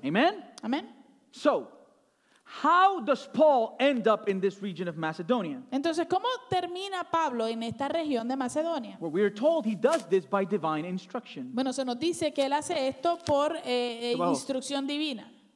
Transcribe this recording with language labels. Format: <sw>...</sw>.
<en>Amen.</en> <es>Amen.</es> <en>So, how does Paul end up in this region of Macedonia?</en> <es>Entonces, ¿cómo termina Pablo en esta región de Macedonia?</es> <en>Well, we are told he does this by divine instruction.</en> <es>Bueno, se nos dice que él hace esto por instrucción divina.</es>